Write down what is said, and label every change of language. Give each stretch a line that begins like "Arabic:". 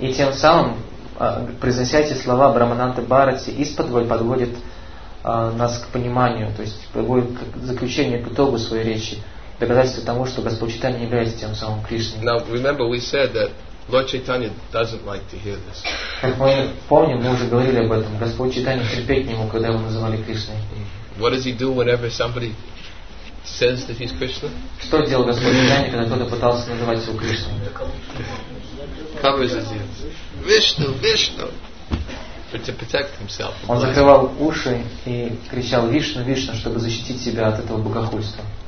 Russian: И тем самым, произнося эти слова, Брахмананда Бхарати исподволь подводит нас к пониманию, то есть подводит к заключению, к итогу своей речи, доказательство того, что Господь Чайтанья является тем самым Кришной.
English: Now remember, we said that Lord Chaitanya doesn't like to hear this.
Russian: Как мы помним, мы уже говорили об этом. Господь Чайтанья терпеть не мог, когда его называли Кришной.
English: What does he do whenever somebody says that he's Krishna?
Russian: Что делал Господь Чайтанья, когда кто-то пытался называть его Кришной?
English: Covers his ears. Vishnu, Vishnu. But to protect himself.
Russian: Он закрывал уши и кричал Вишну, Вишну, чтобы защитить себя от этого богохульства.